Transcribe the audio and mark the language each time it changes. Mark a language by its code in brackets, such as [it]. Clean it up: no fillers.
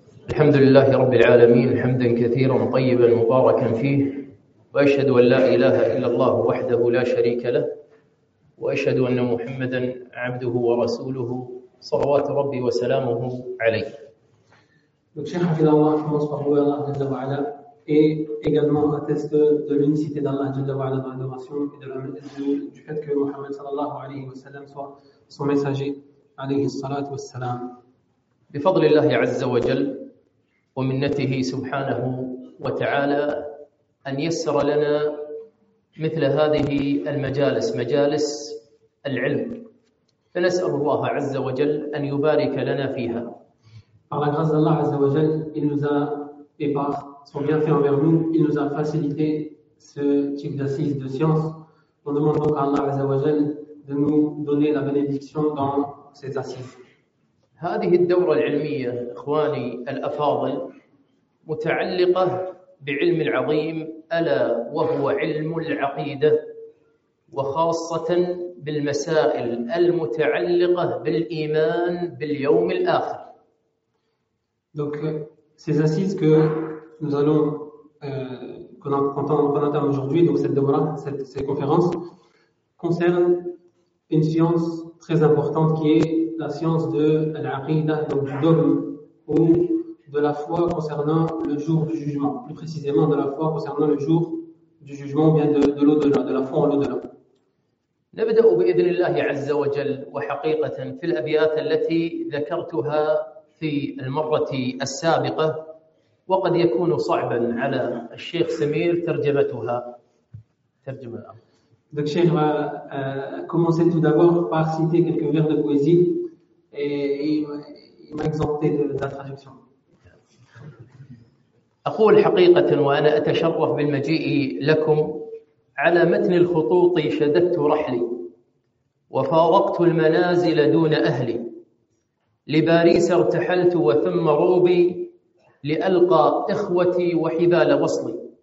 [ar] الحمد لله رب العالمين، حمدا كثيرا طيبا مباركا فيه، وأشهد أن لا إله إلا الله وحده لا شريك له، وأشهد أن محمدا عبده ورسوله صلوات ربي وسلامه عليه. [fr] Donc, cher Hafidallah, je commence par louer Allah Jalla wa'ala et également atteste de l'unicité d'Allah Jalla wa'ala dans l'adoration et de la du fait que Muhammad sallallahu alayhi wa sallam soit son messager alayhi salatu wa salam. [ar] بفضل الله عز وجل ومنته سبحانه وتعالى أن يسر لنا مثل هذه المجالس، مجالس العلم، فنسأل الله عز وجل أن يبارك لنا فيها. [fr] Par la grâce d'Allah [ar] عز وجل, [fr] il nous a, et par son bienfait envers nous, il nous a facilité ce type d'assises de science. On demande donc à Allah [ar] عز وجل [fr] de nous donner la bénédiction dans ces assises. [ar] هذه الدورة العلمية إخواني الأفاضل متعلقة بعلم العظيم ألا وهو علم العقيدة وخاصة بالمسائل المتعلقة بالإيمان باليوم الآخر. [fr] Donc ces assises que nous allons qu'on entame aujourd'hui, donc cette doura, cette conférence concerne une science très importante qui est la science de l'aqidah, donc du dogme ou de la foi concernant le jour du jugement, plus précisément de la foi concernant le jour du jugement ou bien de l'au-delà, de la foi en l'au-delà. [ar] نبدأ بإذن الله عز وجل وحقيقة في الأبيات التي ذكرتها في المرة السابقة وقد يكون صعبا على الشيخ سمير ترجمتها. ترجمة الأمر. [fr] Donc, Cheikh va commencer tout d'abord par citer quelques vers de poésie. Et il m'a exempté de la traduction. [ar] أقول حقيقة وأنا أتشرف بالمجيء لكم على متن الخطوط شددت رحلي وفارقت المنازل دون أهلي لباريس ارتحلت وثم روبي لألقى إخوتي وحبال وصلي